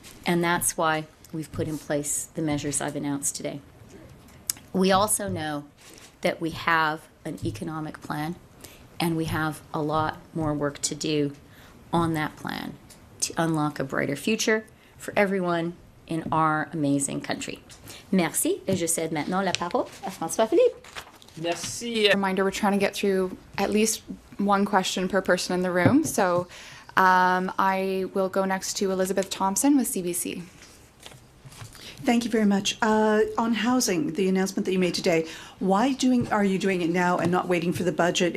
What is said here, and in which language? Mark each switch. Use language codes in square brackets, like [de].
[en] And that's why we've put in place the measures I've announced today. We also know that we have an economic plan, and we have a lot more work to do on that plan to unlock a brighter future for everyone in our amazing country. [fr] Merci, et je cède maintenant la parole à François-Philippe. Merci. [en] Reminder, we're trying to get through at least one question per person in the room. So I will go next to Elizabeth Thompson with CBC. Thank you very much. On housing, the announcement that you made today, why are you doing it now and not waiting for the budget?